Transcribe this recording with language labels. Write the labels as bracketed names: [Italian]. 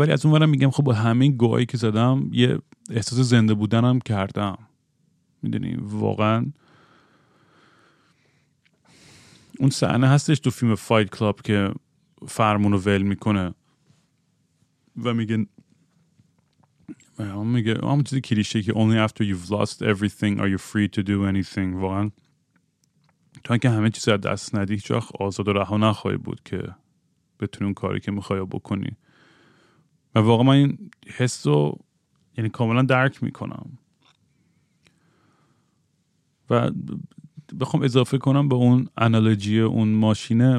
[Persian] ولی از اون ورم میگم خب با همه این گوهایی که زدم یه احساس زنده بودنم کردم. میدونی واقعا اون صحنه هستش تو فیلم فایت کلاب که فرمونو ول میکنه و میگه میگه همون چیزی کلیشه که [English] only after you've lost everything are you free to do anything. [Persian] واقعا تو اینکه همه چیز را دست ندی هیچ وقت آزاد و رها نخواهی بود که بتونی اون کاری که میخوای بکنی. و واقعا من این حس رو یعنی کاملا درک میکنم و بخوام اضافه کنم به اون انالوجی اون ماشینه.